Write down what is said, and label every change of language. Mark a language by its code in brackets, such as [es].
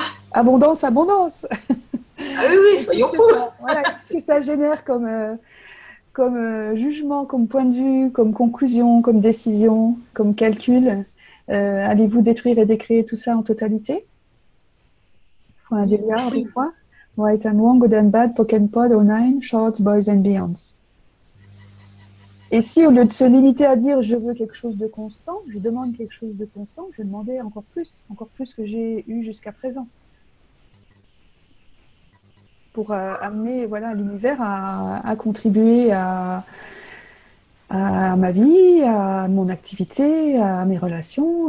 [fr] Abondance, abondance. Ah oui, soyons fous. Voilà, qu'est-ce que ça génère comme jugement, comme point de vue, comme conclusion, comme décision, comme calcul, allez-vous détruire et décréer tout ça en totalité? Faut un délire, des fois. [en] Right and wrong, good and bad, pokenpod, oh nine, shorts, boys and beyonds. [fr] Et si au lieu de se limiter à dire je veux quelque chose de constant, je demande quelque chose de constant, je demandais encore plus que j'ai eu jusqu'à présent. Pour amener voilà, l'univers à contribuer à ma vie, à mon activité, à mes relations.